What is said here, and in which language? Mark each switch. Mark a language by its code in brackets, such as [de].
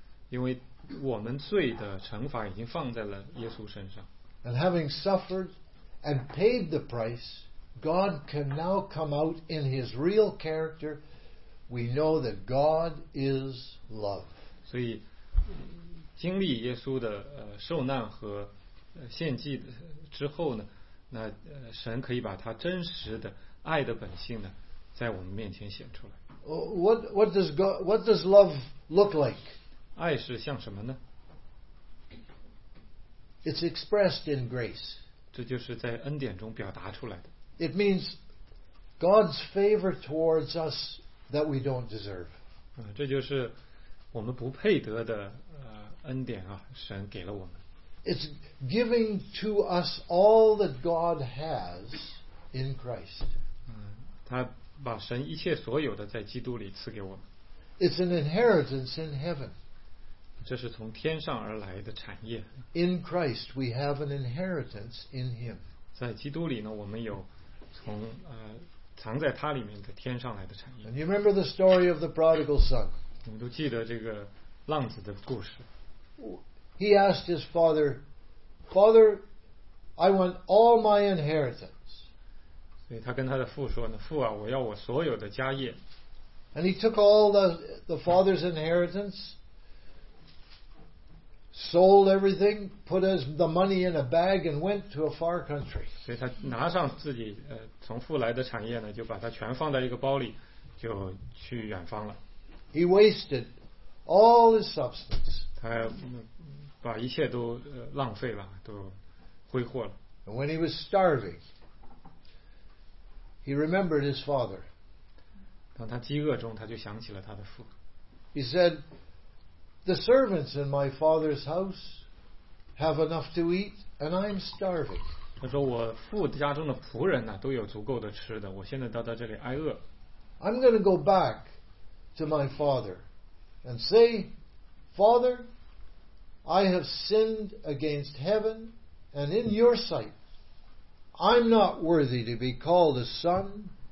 [zh] 因为我们罪的惩罚已经放在了耶稣身上。 [en] And having suffered and paid the price, God can now come out in His real character. We know that God is love. [zh] 所以经历耶稣的受难和献祭之后呢，那神可以把他真实的爱的本性呢，在我们面前显出来。 [en] What does love look like? [zh] 爱是像什么呢？ [en] It's expressed in grace. [zh] 这就是在恩典中表达出来的。 [en] It means God's favor towards us that we don't deserve. [zh] 这就是我们不配得的。恩典啊，神给了我们。 [en] It's giving to us all that God has in Christ. [zh] 他把神一切所有的在基督里赐给我们。 [en] It's an inheritance in heaven. [zh] 这是从天上而来的产业。 [en] In Christ, we have an inheritance in Him. [zh] 在基督里呢，我们有从藏在他里面的天上来的产业。 [en] And you remember the story of the prodigal son? [zh] 你都记得这个浪子的故事。 [en] He asked his father, "Father, I want all my inheritance." [zh] 所以他跟他的父说呢，父啊，我要我所有的家业。 [en] And he took all the father's inheritance, sold everything, put as the money in a bag, and went to a far country. [zh] 所以他拿上自己从父来的产业呢，就把它全放在一个包里，就去远方了。 [en] He wasted all his substance. [zh] 他把一切都浪费了，都挥霍了。 [en] And when he was starving, he remembered his father. [zh] 当他饥饿中，他就想起了他的父。 [en] He said, "The servants in my father's house have enough to eat, and I'm starving." [zh] 他说：“我父家中的仆人呢，都有足够的吃的，我现在到这里挨饿。 [en] "I'm going to go back to my father and say, "Father, I have sinned against heaven and in your sight. I'm not worthy to be called a son."